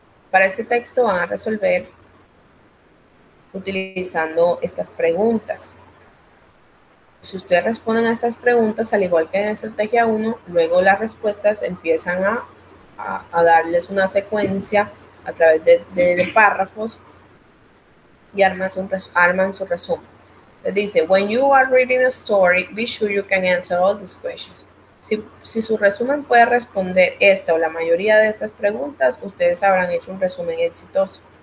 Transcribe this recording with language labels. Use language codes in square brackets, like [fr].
[es] Para este texto van a resolver utilizando estas preguntas. Si ustedes responden a estas preguntas, al igual que en la estrategia 1, luego las respuestas empiezan a darles una secuencia a través de párrafos y arman su resumen. Les dice, [en] when you are reading a story, be sure you can answer all these questions. [es] Si su resumen puede responder esta o la mayoría de estas preguntas, ustedes habrán hecho un resumen exitoso.